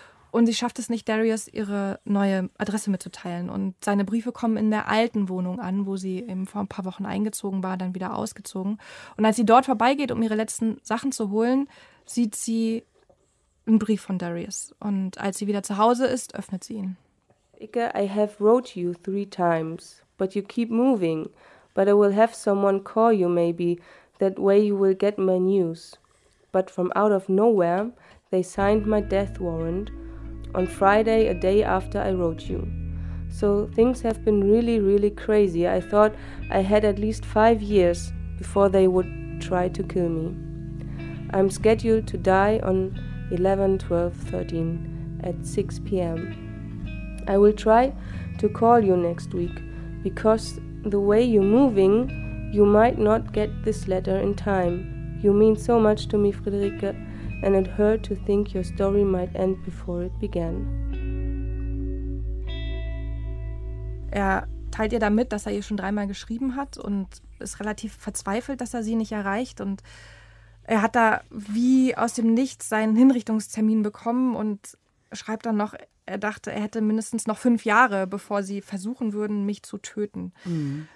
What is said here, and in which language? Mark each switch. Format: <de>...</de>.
<de>Und sie schafft es nicht, Darius ihre neue Adresse mitzuteilen. Und seine Briefe kommen in der alten Wohnung an, wo sie eben vor ein paar Wochen eingezogen war, dann wieder ausgezogen. Und als sie dort vorbeigeht, um ihre letzten Sachen zu holen, sieht sie einen Brief von Darius. Und als sie wieder zu Hause ist, öffnet sie ihn.</de> <en>Ike, I have wrote you 3 times, but you keep moving. But I will have someone call you maybe, that way you will get my news. But from out of nowhere, they signed my death warrant on Friday, a day after I wrote you. So things have been really, really crazy. I thought I had at least 5 years before they would try to kill me. I'm scheduled to die on 11, 12, 13 at 6 p.m. I will try to call you next week, because the way you're moving, you might not get this letter in time. You mean so much to me, Friederike, and it hurt to think your story might end before it began.</en> <de>Er teilt ihr damit, dass er ihr schon 3-mal geschrieben hat und ist relativ verzweifelt, dass er sie nicht erreicht. Und er hat da wie aus dem Nichts seinen Hinrichtungstermin bekommen und schreibt dann noch, er dachte, er hätte mindestens noch 5 Jahre, bevor sie versuchen würden, mich zu töten. Mhm.</de>